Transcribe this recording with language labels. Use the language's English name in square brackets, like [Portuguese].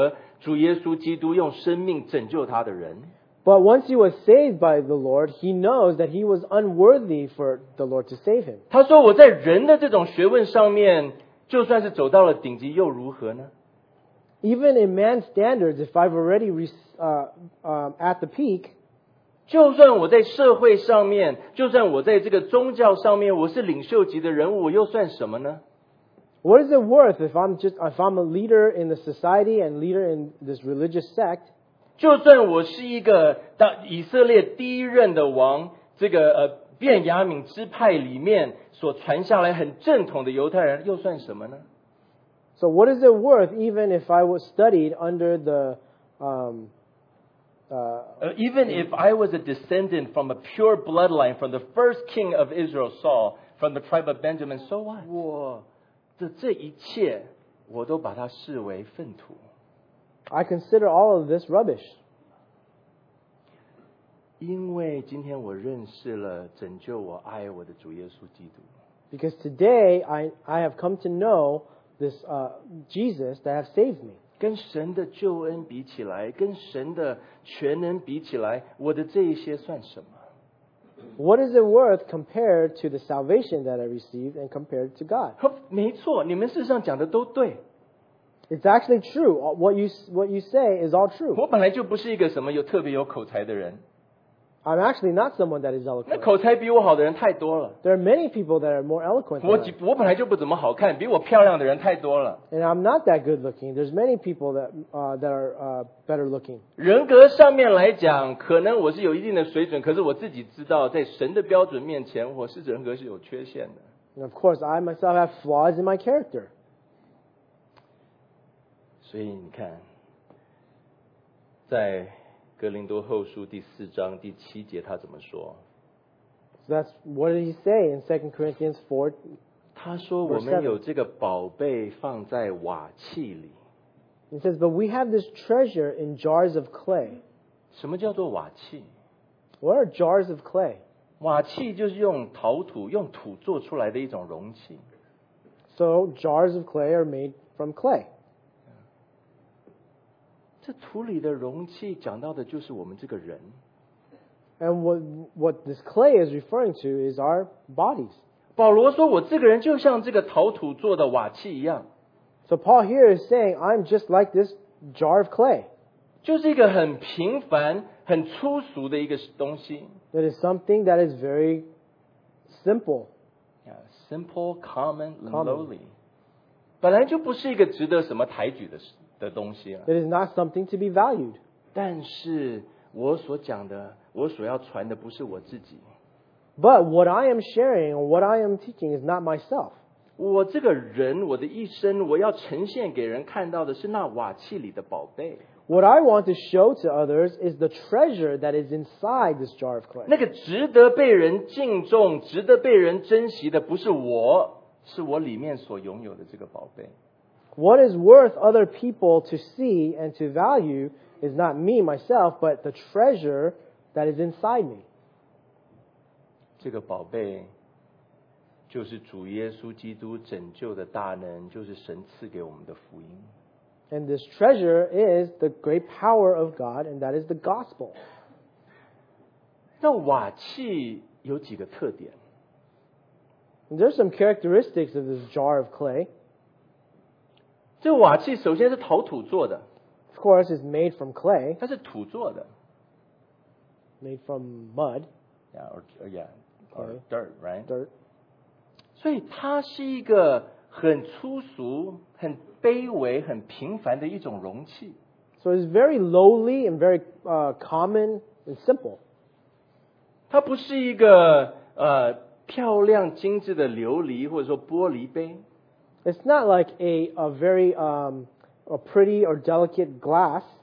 [Chinese] 但是当主耶稣基督拯救他之后，他知道他是一个不配得主耶稣基督用生命拯救他的人。 [English] But once he was saved by the Lord, he knows that he was unworthy for the Lord to save him. [Chinese] 他说我在人的这种学问上面，就算是走到了顶级又如何呢？ [English] Even in man's standards, if I've already at the peak, [Chinese] 就算我在社会上面，就算我在这个宗教上面，我是领袖级的人物，我又算什么呢？ [English] What is it worth if I'm a leader in the society and leader in this religious sect? [Chinese] 就算我是一个以色列第一任的王，这个便雅悯支派里面所传下来很正统的犹太人，又算什么呢？ [English] So what is it worth even if I was studied under the... even if I was a descendant from a pure bloodline from the first king of Israel, Saul, from the tribe of Benjamin, so what? [Chinese] 我的这一切我都把它视为粪土。 [English] I consider all of this rubbish. [Chinese] 因为今天我认识了拯救我爱我的主耶稣基督。 [English] Because today I have come to know this Jesus that has saved me. [Chinese] 跟神的救恩比起来，跟神的全能比起来，我的这一些算什么？ [English] What is it worth compared to the salvation that I received and compared to God? [Chinese] 没错，你们事实上讲的都对。 [English] It's actually true. What you say is all true. [Chinese] 我本来就不是一个什么有特别有口才的人。 [English] I'm actually not someone that is eloquent. [Chinese] 那口才比我好的人太多了。 [English] There are many people that are more eloquent than me. [Chinese] 我本来就不怎么好看，比我漂亮的人太多了。 [English] And I'm not that good looking. There's many people that are better looking. [Chinese] 人格上面来讲，可能我是有一定的水准，可是我自己知道，在神的标准面前，我是人格是有缺陷的。 [English] And of course, I myself have flaws in my character. [Chinese] 所以你看，在哥林多后书第四章第七节他怎么说 [English] ？So that's what did he say in 2 Corinthians 4? [Chinese] 他说我们有这个宝贝放在瓦器里。 [English] He says, but we have this treasure in jars of clay. [Chinese] 什么叫做瓦器 [English] ？What are jars of clay? [Chinese] 瓦器就是用陶土用土做出来的一种容器。 [English] So jars of clay are made from clay. [Chinese] 这土里的容器讲到的就是我们这个人。 [English] And what this clay is referring to is our bodies. [Chinese] 保罗说我这个人就像这个陶土做的瓦器一样。 [English] So Paul here is saying, I'm just like this jar of clay. [Chinese] 就是一个很平凡很粗俗的一个东西。 [English] That is something that is very simple. Yeah, simple, common, lowly. [Chinese] 本来就不是一个值得什么抬举的事。 [English] It is not something to be valued. [Chinese] 但是我所讲的，我所要传的不是我自己。 [English] But what I am sharing, what I am teaching is not myself. [Chinese] 我这个人，我的一生，我要呈现给人看到的是那瓦器里的宝贝。 [English] What I want to show to others is the treasure that is inside this jar of clay. [Chinese] 那个值得被人敬重，值得被人珍惜的不是我，是我里面所拥有的这个宝贝。 [English] What is worth other people to see and to value is not me, myself, but the treasure that is inside me. [Chinese] 这个宝贝就是主耶稣基督拯救的大能，就是神赐给我们的福音。 [English] And this treasure is the great power of God, and that is the gospel. [Chinese] 那瓦器有几个特点。 [English] There are some characteristics of this jar of clay. [Chinese] 这瓦器首先是陶土做的。 [English] Of course, it's made from clay. [Chinese] 它是土做的。 [English] Made from mud. Yeah, or dirt, right? Dirt. [Chinese] 所以它是一个很粗俗、很卑微、很平凡的一种容器。 [English] So it's very lowly and very common and simple. [Chinese] 它不是一个漂亮精致的琉璃或者说玻璃杯。 [English] It's not like a very a pretty or delicate glass.